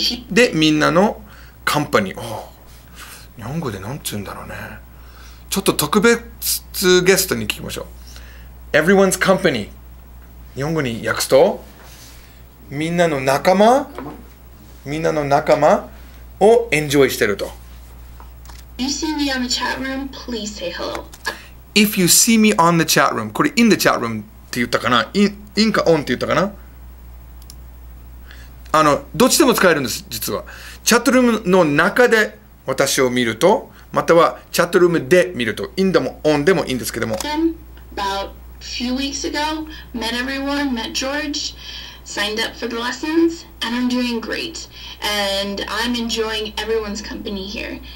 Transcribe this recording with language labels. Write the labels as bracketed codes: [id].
[ja] で、みんなのカンパニー。おぉ。日本語で何て言うんだろうね。ちょっと特別ゲストに聞きましょう。 [en] Everyone's company。 [ja] 日本語に訳すと、みんなの仲間、みんなの仲間をエンジョイしてると。 [en] You see me on the chat room, please say hello. If you see me on the chat room, [ja] これ [en] in the chat room。 [ja] って言ったかな、インかオンって言ったかな。どっちでも使えるんです。実はチャットルームの中で私を見ると、またはチャットルームで見るとインでもオンでもいいんですけども、 [en] About few weeks ago, met everyone, met George, signed up for the lessons, and I'm doing great, and I'm enjoying everyone's company here.